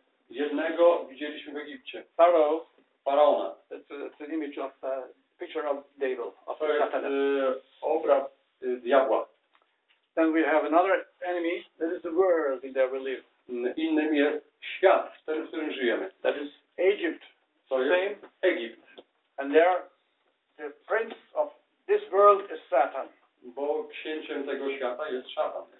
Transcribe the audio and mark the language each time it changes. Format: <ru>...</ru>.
<pl>Jednego widzieliśmy w Egipcie.</pl> <en>Pharaoh.</en> <pl>Faraona.</pl> <en>It's an image of a picture of devil. Of</en> <pl>to jest obraz diabła.</pl> <en>Then we have another enemy. That is the world in their belief.</en> <pl>Innym jest świat, w tym, w którym żyjemy.</pl> <en>That is Egypt.</en> <pl>To</pl> <en>same.</en> <pl>Egipt.</pl> <en>And there, the prince of this world is Satan.</en> <pl>Bo księciem tego świata jest Satan.</pl>